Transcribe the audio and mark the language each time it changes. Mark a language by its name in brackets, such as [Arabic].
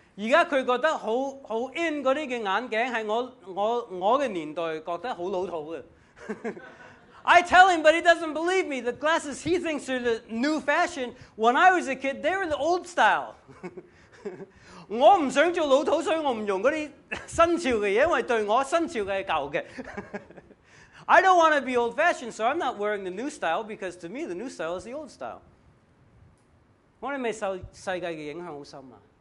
[Chinese] 现在他觉得很 in 那些眼镜是 我的年代觉得很老土的。 [English] I tell him, but he doesn't believe me. The glasses he thinks are the new fashion. When I was a kid, they were the old style. [Chinese] 我不想做老土，所以我不用那些新潮的东西，因为对我新潮的是旧的。 [English] I don't want to be old fashioned, so I'm not wearing the new style because to me, the new style is the old style. [Chinese] 我们未受世界的影响很深吗？